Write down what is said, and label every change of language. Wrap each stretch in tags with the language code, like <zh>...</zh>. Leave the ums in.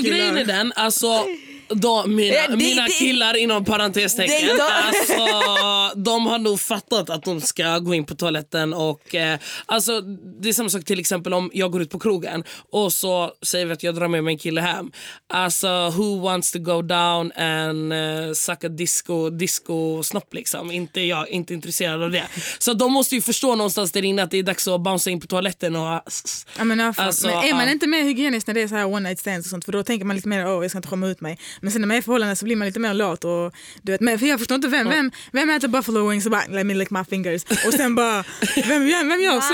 <sv>killar. grejen är den, alltså de, mina, Ja, det- mina det- killar inom parentestecken, Det- alltså, de har nog fattat att de ska gå in på toaletten och eh, alltså, det är samma sak till exempel om jag går ut på krogen och så säger vi att jag drar med mig en kille hem.</sv> <en>Alltså who wants to go down and eh, suck a disco, disco snopp liksom.</en> <sv>Inte jag, inte intresserad av det. Så de måste ju förstå någonstans där inne att det är dags att bouncea in på toaletten och Ja, men, ja, fan. Alltså, men är man ja. inte mer hygienisk när det är så här one night stands och sånt för då tänker man lite mer åh jag ska inte skämma ut mig. Men sen när man är i förhållande så blir man lite mer lat och du vet, men för jag förstår inte vem, vem, vem äter buffalo wings och bara let me lick my fingers och sen bara vem, vem, vem gör så?</sv>